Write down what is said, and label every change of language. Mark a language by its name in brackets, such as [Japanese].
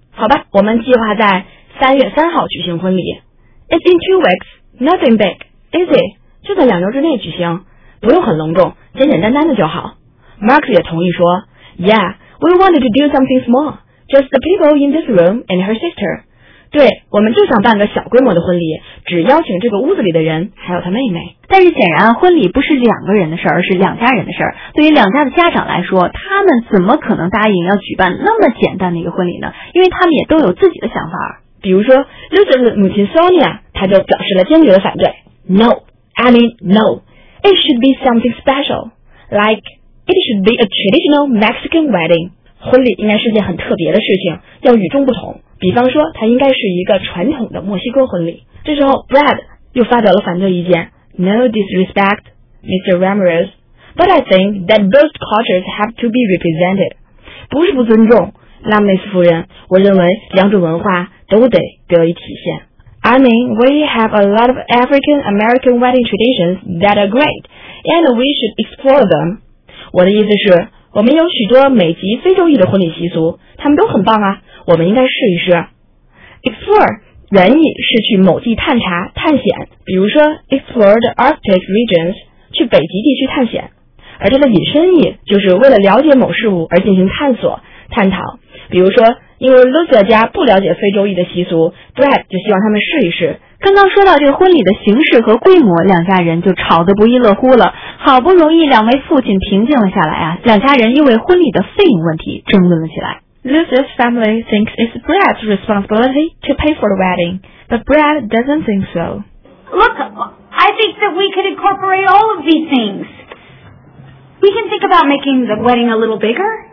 [Chinese] 好吧，我们计划在3月3号举行婚礼。 [English] It's in 2 weeks, nothing big, is it? [Chinese] 就在2周之内举行，不用很隆重，简简单单的就好。 Marcus 也同意说 [English] Yeah, we wanted to do something small, just the people in this room and her sister. [Chinese] 对，我们就想办个小规模的婚礼，只邀请这个屋子里的人还有他妹妹。但是显然婚礼不是两个人的事儿，而是两家人的事儿。对于两家的家长来说，他们怎么可能答应要举办那么简单的一个婚礼呢？因为他们也都有自己的想法。比如说 Lucia 的母亲 Sonia 她就表示了坚决的反对。 [English] No, I mean no. It should be something special. Like, it should be a traditional Mexican wedding. [Chinese] 婚礼应该是件很特别的事情，要与众不同。比方说它应该是一个传统的墨西哥婚礼。这时候 Brad 又发表了反对意见。 [English] No disrespect, Mr. Ramirez, but I think that both cultures have to be represented. [Chinese] 不是不尊重拉梅斯夫人，我认为两种文化都得得以体现。 [English] I mean, we have a lot of African-American wedding traditions that are great, and we should explore them. [Chinese] 我的意思是我们有许多美籍非洲裔的婚礼习俗，他们都很棒啊，我们应该试一试。 Explore 原意是去某地探查探险，比如说 [English] Explore the Arctic regions， [Chinese] 去北极地区探险，而它的引申意就是为了了解某事物而进行探索，探讨。比如说，因为 Lucia 家不了解非洲裔的习俗， Brad 就希望他们试一试。刚刚说到这个婚礼的形式和规模，两家人就吵得不亦乐乎了。好不容易两位父亲平静了下来啊，两家人又为婚礼的费用问题争论了起来。 [English] Lucia's family thinks it's Brad's responsibility to pay for the wedding, but Brad doesn't think so. Look, I think that we could incorporate all of these things. We can think about making the wedding a little bigger.